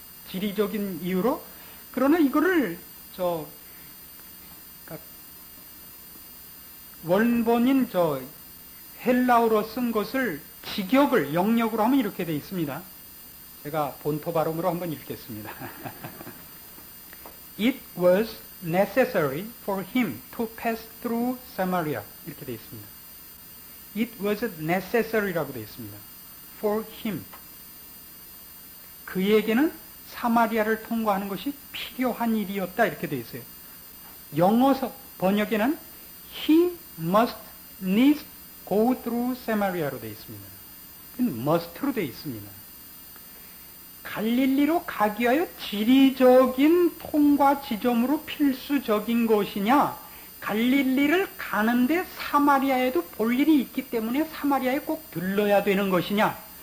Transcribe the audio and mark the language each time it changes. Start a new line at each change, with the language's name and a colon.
Korean: 지리적인 이유로. 그러나 이거를 저 원본인 저 헬라어로 쓴 것을 직역을 영역으로 하면 이렇게 돼 있습니다. 제가 본토 발음으로 한번 읽겠습니다.
English: It was necessary for him to pass through Samaria.
Korean: 이렇게 돼 있습니다.
English: It was necessary
Korean: 라고 돼 있습니다.
English: For him.
Korean: 그에게는 사마리아를 통과하는 것이 필요한 일이었다. 이렇게 돼 있어요. 영어 번역에는
English: he must needs go through Samaria
Korean: 로 돼 있습니다. must로 돼 있습니다. 갈릴리로 가기 위하여 지리적인 통과 지점으로 필수적인 것이냐? 갈릴리를 가는데 사마리아에도 볼 일이 있기 때문에 사마리아에 꼭 들러야 되는 것이냐?